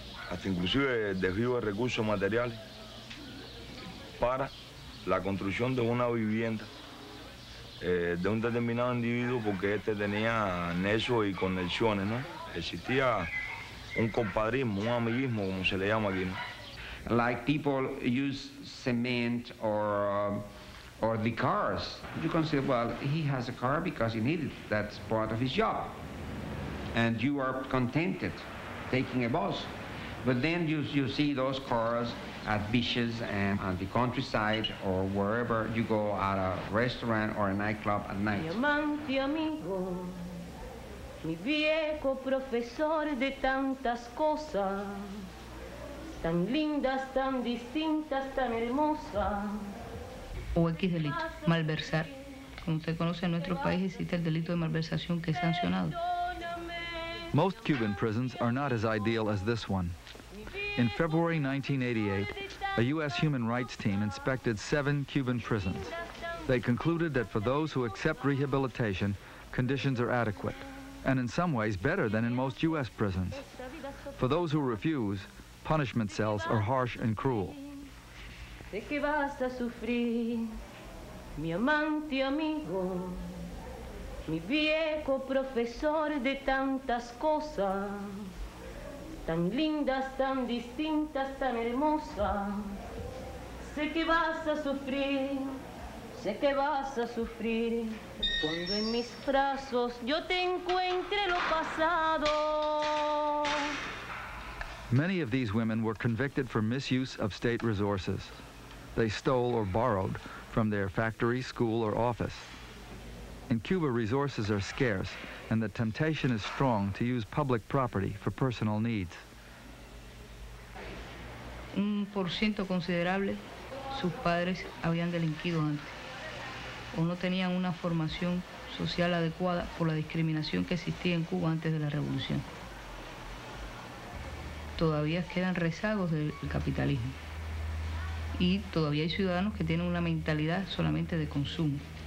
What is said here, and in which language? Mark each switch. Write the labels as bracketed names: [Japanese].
[Spanish] Hasta inclusive desvío de recursos materiales para la construcción de una vivienda de un determinado individuo, porque este tenía nexos y conexiones, ¿no? Existía un compadrismo, un amiguismo, como se le llama aquí, ¿no? [English] Like people use cement or the cars. You consider, well, he has a car because he needed it. That's part of his job. And you are contented taking a bus. But then you see those cars at beaches and on the countryside or wherever you go, at a restaurant or a nightclub at night. [Spanish] Mi amante amigo, mi viejo profesor de tantas cosas, tan lindas, tan distintas, tan hermosas. O X delito, malversar. Como usted conoce, en nuestro país existe el delito de malversación que es sancionado. [English] Most Cuban prisons are not as ideal as this one. In February 1988, a U.S. human rights team inspected 7 Cuban prisons. They concluded that for those who accept rehabilitation, conditions are adequate, and in some ways better than in most U.S. prisons. For those who refuse, punishment cells are harsh and cruel. [Spanish] De que vas a sufrir, mi amante amigo, mi viejo profesor de tantas cosas, tan lindas, tan distintas, tan hermosas. Sé que vas a sufrir, sé que vas a sufrir, cuando en mis brazos yo te encuentre lo pasado. [English] Many of these women were convicted for misuse of state resources. They stole or borrowed from their factory, school, or office. In Cuba, resources are scarce, and the temptation is strong to use public property for personal needs. [Spanish] Un por ciento considerable, sus padres habían delinquido antes, o no tenían una formación social adecuada por la discriminación que existía en Cuba antes de la revolución. Todavía quedan rezagos del capitalismo. Y todavía hay ciudadanos que tienen una mentalidad solamente de consumo.